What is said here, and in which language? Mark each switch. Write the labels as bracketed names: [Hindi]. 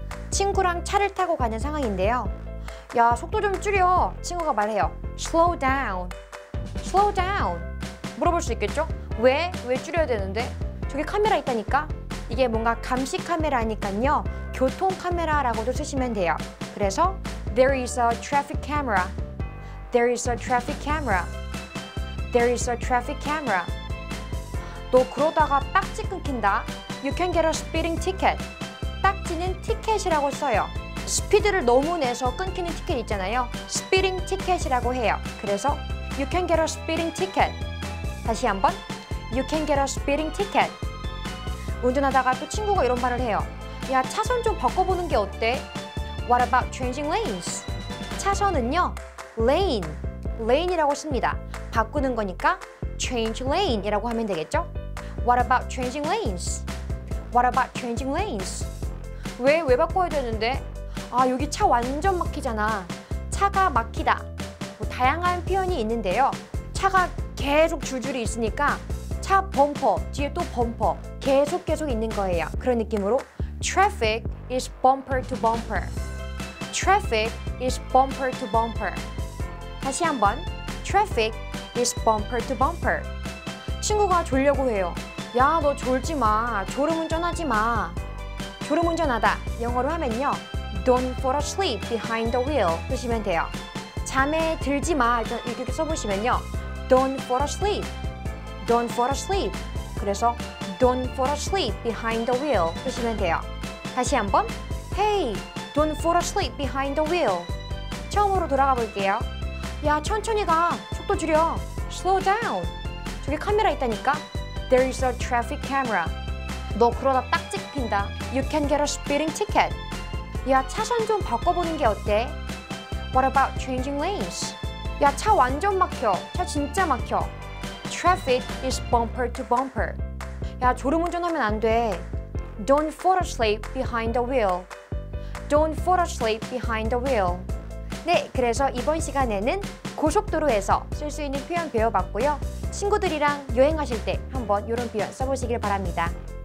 [Korean] 친구랑 차를 타고 가는 상황인데요. 야, 속도 좀 줄여. 친구가 말해요. [English] Slow down. Slow down. [Korean] 물어볼 수 있겠죠? 왜? 왜 줄여야 되는데? 저기 카메라 있다니까? 이게 뭔가 감시 카메라니까요. 교통 카메라라고도 쓰시면 돼요. 그래서 [English] There is a traffic camera. There is a traffic camera. There is a traffic camera. [Korean] 너 그러다가 딱지 끊긴다. [English] You can get a speeding ticket. [Korean] 딱지는 티켓이라고 써요. 스피드를 너무 내서 끊기는 티켓 있잖아요. Speeding ticket이라고 해요. 그래서 [English] You can get a speeding ticket. [Korean] 다시 한번 [English] You can get a speeding ticket. [Korean] 운전하다가 또 친구가 이런 말을 해요. 야, 차선 좀 바꿔보는 게 어때? [English] What about changing lanes? [Korean] 차선은요, lane, lane이라고 씁니다. 바꾸는 거니까 [English] change lane [Korean] 이라고 하면 되겠죠? [English] What about changing lanes? What about changing lanes? [Korean] 왜 바꿔야 되는데? 아, 여기 차 완전 막히잖아. 차가 막히다. 뭐 다양한 표현이 있는데요. 차가 계속 줄줄이 있으니까 차 범퍼, 뒤에 또 범퍼, 계속 있는 거예요. 그런 느낌으로 [English] traffic is bumper to bumper. Traffic is bumper to bumper. [Korean] 다시 한번 [English] traffic is bumper to bumper. [Korean] 친구가 졸려고 해요. 야, 너 졸지 마. 졸음운전하지 마. 졸음운전하다. 영어로 하면요. [English] Don't fall asleep behind the wheel. [Korean] 쓰시면 돼요. 잠에 들지 마. 이렇게 써보시면요. [English] Don't fall asleep. Don't fall asleep. [Korean] 그래서 [English] Don't fall asleep behind the wheel. [Korean] 쓰시면 돼요. 다시 한번 [English] Hey, don't fall asleep behind the wheel. [Korean] 처음으로 돌아가 볼게요. 야, 천천히 가. 속도 줄여. [English] Slow down. [Korean] 저기 카메라 있다니까. [English] There is a traffic camera. [Korean] 너 그러다 딱지 핀다. [English] You can get a speeding ticket. [Korean] 야, 차선 좀 바꿔보는 게 어때? [English] What about changing lanes? [Korean] 야, 차 완전 막혀. 차 진짜 막혀. [English] Traffic is bumper to bumper. [Korean] 야, 졸음운전하면 안 돼. [English] Don't fall asleep behind the wheel. Don't fall asleep behind the wheel. [Korean] 네, 그래서 이번 시간에는 고속도로에서 쓸 수 있는 표현 배워봤고요. 친구들이랑 여행하실 때 한번 이런 표현 써보시길 바랍니다.